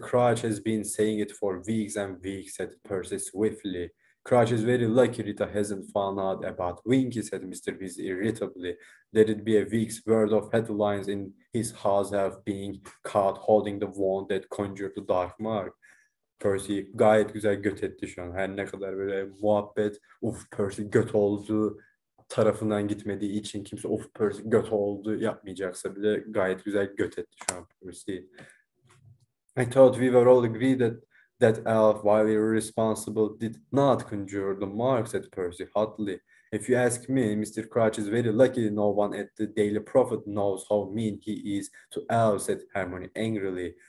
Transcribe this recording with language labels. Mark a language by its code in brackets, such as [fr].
[en] Crouch has been saying it for weeks and weeks, said Percy swiftly. Crouch is very lucky Rita hasn't found out about Winky, said Mr. Weasley irritably. There it be a week's worth of headlines in his house of being caught holding the wand that conjured the dark mark. [tr] Percy gayet güzel göt etti şu an. Her ne kadar böyle muhabbet uf Percy göt oldu tarafından gitmediği için kimse uf Percy göt oldu yapmayacaksa bile gayet güzel göt etti şu an Percy. [en] I thought we were all agreed that that elf, while irresponsible, did not conjure the mark, said Percy hotly. A If you ask me, Mr. Crouch is very lucky no one at the Daily Prophet knows how mean he is to elves, said Hermione angrily.